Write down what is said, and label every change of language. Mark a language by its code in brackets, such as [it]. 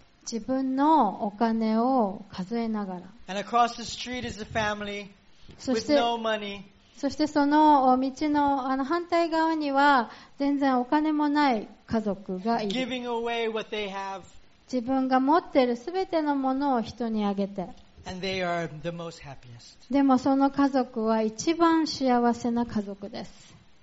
[ja] 自分のお金を数えながら。 [en] And across the street is a family with no money. [ja] そしてその道の、あの反対側には全然お金もない家族がいる。 [en] Giving away what they have. [ja] 自分が持っているすべてのものを人にあげて。 [en] And they are the most happiest. [ja] でもその家族は一番幸せな家族です。